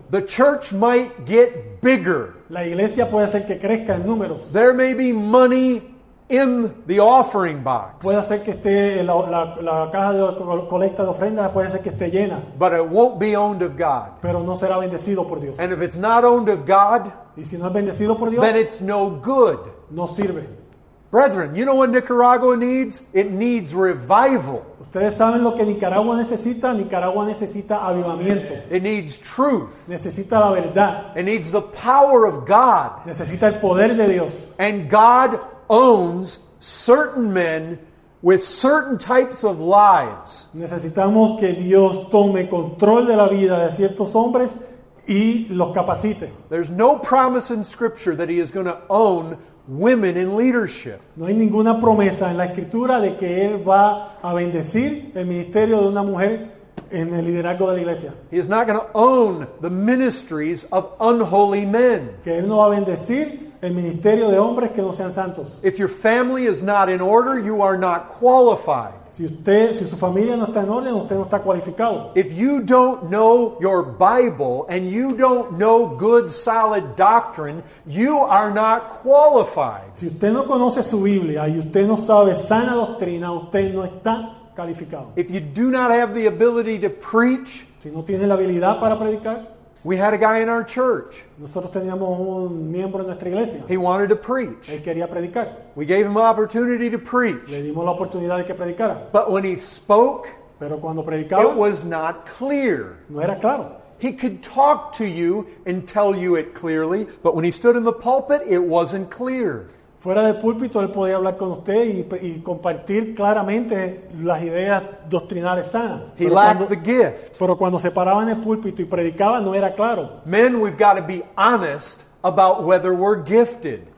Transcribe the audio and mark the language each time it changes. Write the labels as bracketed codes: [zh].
[en] The church might get bigger. [es] La iglesia puede hacer que crezca en números. [en] There may be money in the offering box. [es] Puede ser que esté la caja de colecta de ofrendas, puede ser que esté llena. [en] But it won't be owned of God. [es] Pero no será bendecido por Dios. [en] And if it's not owned of God, [es] y si no es bendecido por Dios, [en] then it's no good. [es] No sirve. [en] Brethren, you know what Nicaragua needs? It needs revival. [es] Ustedes saben lo que Nicaragua necesita. Nicaragua necesita avivamiento. [en] It needs truth. [es] Necesita la verdad. [en] It needs the power of God. [es] Necesita el poder de Dios. [en] And God owns certain men with certain types of lives. [es] Necesitamos que Dios tome control de la vida de ciertos hombres y los capacite. [en] There's no promise in Scripture that he is going to own women in leadership. [es] No hay ninguna promesa en la Escritura de que él va a bendecir el ministerio de una mujer en el liderazgo de la iglesia. [en] He is not going to own the ministries of unholy men. [es] Que él no va a bendecir el ministerio de hombres que no sean santos. [en] If your family is not in order, you are not qualified. [es] Si su familia no está en orden, usted no está cualificado. [en] If you don't know your Bible and you don't know good solid doctrine, you are not qualified. [es] Si usted no conoce su Biblia y usted no sabe sana doctrina, usted no está calificado. [en] If you do not have the ability to preach, [es] si no tiene la habilidad para predicar. [en] We had a guy in our church. [es] Nosotros teníamos un miembro en nuestra iglesia. [en] He wanted to preach. [es] Él quería predicar. [en] We gave him an opportunity to preach. [es] Le dimos la oportunidad de que predicara. [en] But when he spoke, [es] pero cuando predicaba, [en] it was not clear. [es] No era claro. [en] He could talk to you and tell you it clearly, but when he stood in the pulpit, it wasn't clear. [es] Fuera del púlpito, él podía hablar con usted y compartir claramente las ideas doctrinales sanas. [en] He lacked the gift. [es] Pero cuando se paraba en el púlpito y predicaba, no era claro. [en] Men, we've got to be honest about whether we're gifted.